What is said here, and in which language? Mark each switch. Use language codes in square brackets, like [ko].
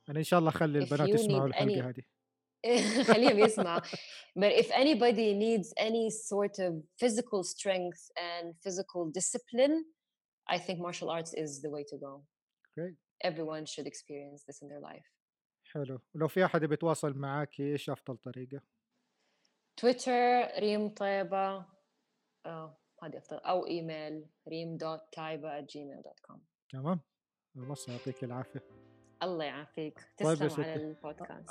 [en] And inshallah, [ar] خلي البنات يسمعوا الحلقة هذه. خليهم يسمعوا. [en] But if anybody needs any sort of physical strength and physical discipline, I think martial arts is the way to go. Great. Everyone should experience this in their life. [ar] حلو. ولو في أحد بيتواصل معك إيش أفضل طريقة؟ تويتر ريم طيبة هذه أفضل أو إيميل ريم.طيبة@gmail.com. تمام. بس يعطيك العافية. الله يعافيك. طيب تسلم على البودكاست.